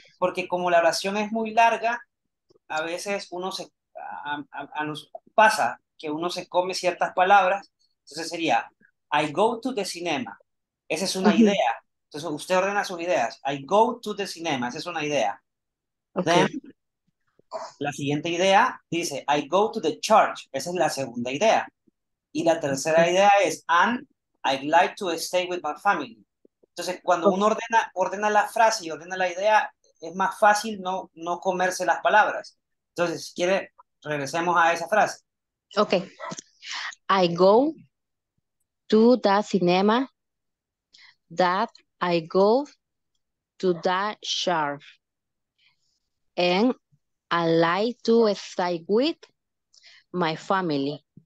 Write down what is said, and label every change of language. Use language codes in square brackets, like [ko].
[es] Porque como la oración es muy larga, a veces uno se, pasa que uno se come ciertas palabras, entonces sería, [en] I go to the cinema. [es] Esa es una idea. Entonces usted ordena sus ideas. [en] I go to the cinema. [es] Esa es una idea. [en] Okay. Then, [es] la siguiente idea dice, [en] I go to the church. [es] Esa es la segunda idea. Y la tercera idea es, [en] and I'd like to stay with my family. [es] Entonces, cuando uno ordena la frase y ordena la idea, es más fácil no comerse las palabras. Entonces, si quiere, regresemos a esa frase. [en] Okay. I go to the cinema that I go to the church and I like to stay with my family.